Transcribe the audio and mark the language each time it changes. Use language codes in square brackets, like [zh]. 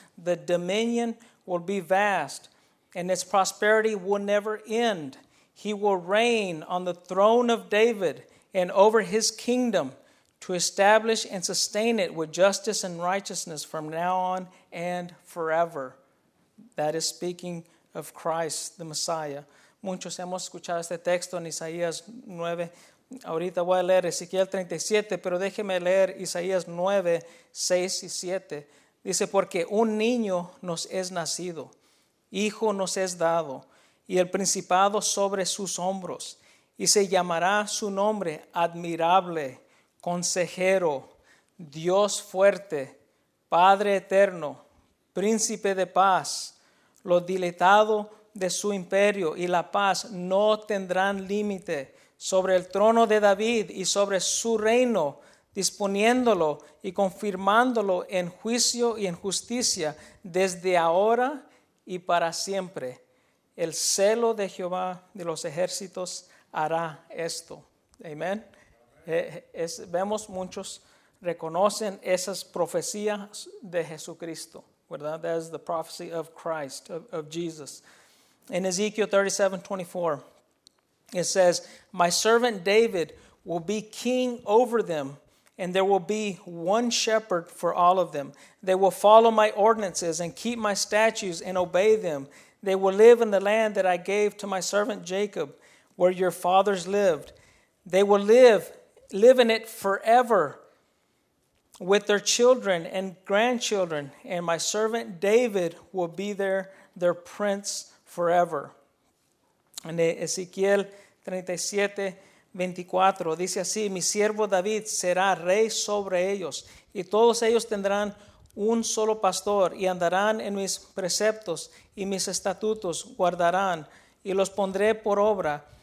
[en] The dominion will be vast, and its prosperity will never end. He will reign on the throne of David and over his kingdom to establish and sustain it with justice and righteousness from now on and forever." That is speaking of Christ, the Messiah. [es] Muchos hemos escuchado este texto en Isaías 9. Ahorita voy a leer Ezequiel 37, pero déjeme leer Isaías 9, 6 y 7. Dice, "Porque un niño nos es nacido, hijo nos es dado, y el principado sobre sus hombros, y se llamará su nombre Admirable, Consejero, Dios Fuerte, Padre Eterno, Príncipe de Paz. Lo dilatado de su imperio y la paz no tendrán límite sobre el trono de David y sobre su reino, disponiéndolo y confirmándolo en juicio y en justicia desde ahora y para siempre. El celo de Jehová de los ejércitos hará esto." Amén. Vemos muchos reconocen esas profecías de Jesucristo, ¿verdad? [en] That is the prophecy of Christ, of Jesus. In Ezekiel 37:24, it says, "My servant David will be king over them, and there will be one shepherd for all of them. They will follow my ordinances and keep my statutes and obey them. They will live in the land that I gave to my servant Jacob, where your fathers lived. They will live in it forever with their children and grandchildren, and my servant David will be their prince forever." [es] En Ezequiel 37, 24, dice así, "Mi siervo David será rey sobre ellos, y todos ellos tendrán un solo pastor, y andarán en mis preceptos, y mis estatutos guardarán, y los pondré por obra.